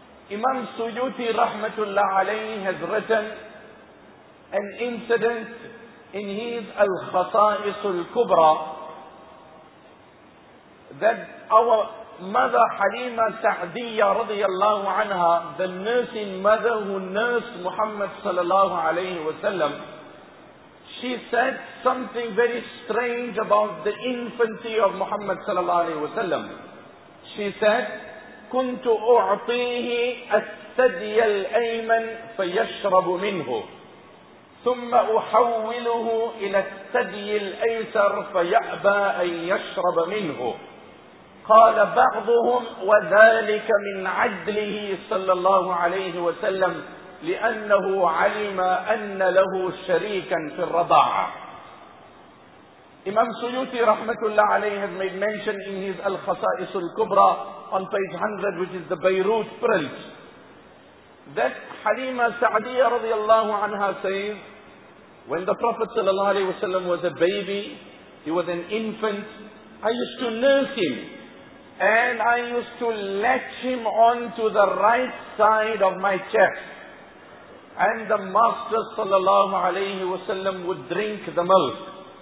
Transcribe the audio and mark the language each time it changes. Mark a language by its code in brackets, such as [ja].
[en] Imam Suyuti rahmatullah alayhi has written an incident in his Al-Khasa'is Al-Kubra that our mother Halima Sa'diyya radiyallahu anha, the nursing mother who nursed Muhammad sallallahu alayhi wasallam, she said something very strange about the infancy of Muhammad sallallahu alayhi wasallam. She said, [ar] كنت أعطيه الثدي الأيمن فيشرب منه ثم أحوله إلى الثدي الأيسر فيأبى أن يشرب منه. قال بعضهم وذلك من عدله صلى الله عليه وسلم لأنه علم أن له شريكا في الرضاعة. [en] Imam Suyuti rahmatullah alayhi has made mention in his Al-Khasa'is Al-Kubra on page 100, which is the Beirut print, that Halima Sa'diyya radiyallahu anha says, when the Prophet sallallahu alayhi wasallam was a baby, he was an infant, I used to nurse him and I used to latch him onto the right side of my chest, and the Master sallallahu alayhi wasallam would drink the milk.